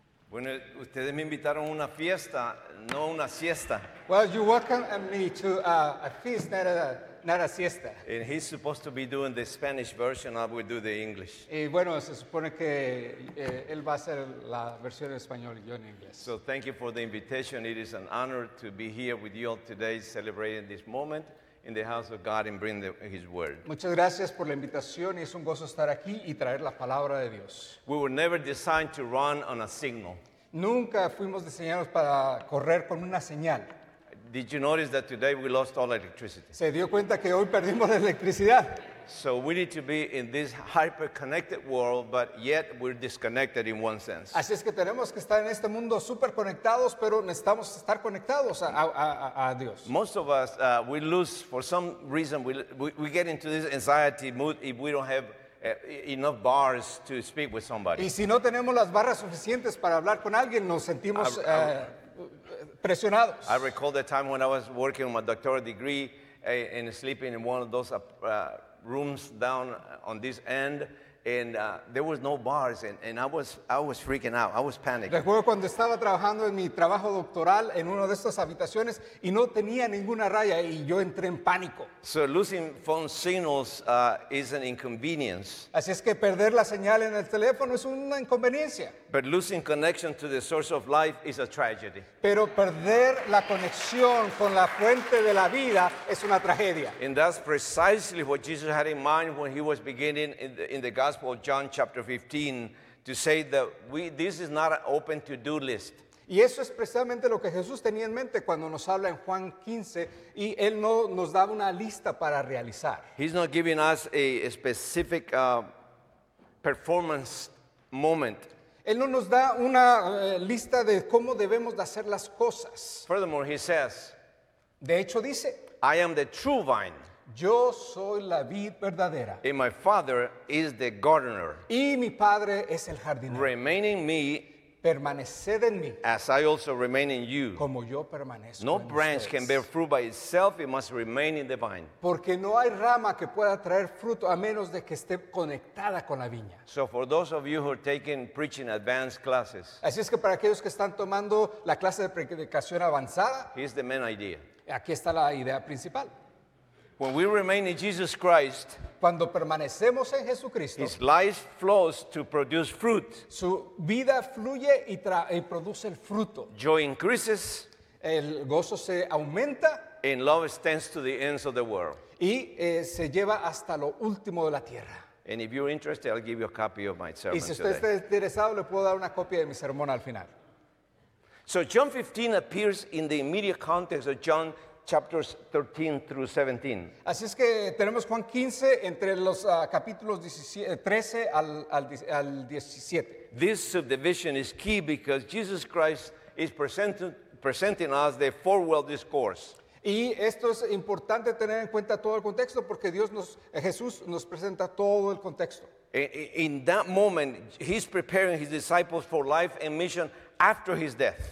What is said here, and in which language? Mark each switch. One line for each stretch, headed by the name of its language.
Spanish: Bueno, ustedes me invitaron a una fiesta, no una siesta.
English: Well, you welcome me to a feast, not a siesta. And he's supposed to be doing the Spanish version, I will do the English.
Spanish: Y bueno, se supone que él va a hacer la versión en español y yo en inglés.
English: So thank you for the invitation. It is an honor to be here with you all today celebrating this moment in the house of God and bring his word.
Spanish: Muchas gracias por la invitación y es un gozo estar aquí y traer la palabra de Dios.
English: We were never designed to run on a signal.
Spanish: Nunca fuimos diseñados para correr con una señal.
English: Did you notice that today we lost all electricity?
Spanish: Se dio cuenta que hoy perdimos la electricidad.
English: So we need to be in this hyper-connected world, but yet we're disconnected in one sense.
Spanish: Así es que tenemos que estar en este mundo super conectados, pero necesitamos estar conectados a Dios.
English: Most of us, we lose, for some reason, we get into this anxiety mood if we don't have enough bars to speak with somebody.
Spanish: Y si no tenemos las barras suficientes para hablar con alguien, nos sentimos presionados.
English: I recall the time when I was working on my doctoral degree and sleeping in one of those rooms down on this end, and there was no bars, and I was freaking out. I was panicking.
Spanish: Recuerdo cuando estaba trabajando en mi trabajo doctoral en una de estas habitaciones y no tenía ninguna raya y yo entré en pánico.
English: So losing phone signals is an inconvenience.
Spanish: Así es que perder la señal en el teléfono es una inconveniencia.
English: But losing connection to the source of life is a tragedy.
Spanish: Pero perder la conexión con la fuente de la vida es una tragedia.
English: And that's precisely what Jesus had in mind when he was beginning in the Gospel of John chapter 15 to say that this is not an open to-do list.
Spanish: Y eso es precisamente lo que Jesús tenía en mente cuando nos habla en Juan 15 y él no nos da una lista para realizar.
English: He's not giving us a specific performance moment.
Spanish: Él no nos da una lista de cómo debemos de hacer las cosas.
English: Furthermore, he says,
Spanish: de hecho dice,
English: I am the true vine.
Spanish: Yo soy la vid verdadera.
English: And my father is the gardener.
Spanish: Y mi padre es el jardinero.
English: Remain in me.
Spanish: Permaneced en mí.
English: As I also remain in you.
Spanish: Como yo permanezco
English: no branch
Spanish: ustedes.
English: Can bear fruit by itself. It must remain in the vine.
Spanish: Porque no hay rama que pueda traer fruto a menos de que esté conectada con la viña.
English: So for those of you who are taking preaching advanced classes.
Spanish: Así es que para aquellos que están tomando la clase de predicación avanzada.
English: Here's the main idea.
Spanish: Aquí está la idea principal.
English: When we remain in Jesus Christ,
Spanish: cuando permanecemos en Jesucristo,
English: his life flows to produce fruit.
Spanish: Su vida fluye y produce el fruto.
English: Joy increases.
Spanish: El gozo se aumenta.
English: And love extends to the ends of the world.
Spanish: Y se lleva hasta lo último de la tierra.
English: And if you're interested, I'll give you a copy of my sermon.
Spanish: Y si usted
English: today.
Spanish: Está interesado, le puedo dar una copia de mi sermón al final.
English: So John 15 appears in the immediate context of John chapters 13 through 17.
Spanish: Así es que tenemos Juan 15 entre los capítulos 13 al 17.
English: This subdivision is key because Jesus Christ is presenting us the farewell discourse.
Spanish: Y esto es importante tener en cuenta todo el contexto porque Jesús nos presenta todo el contexto.
English: In that moment, he's preparing his disciples for life and mission after his death.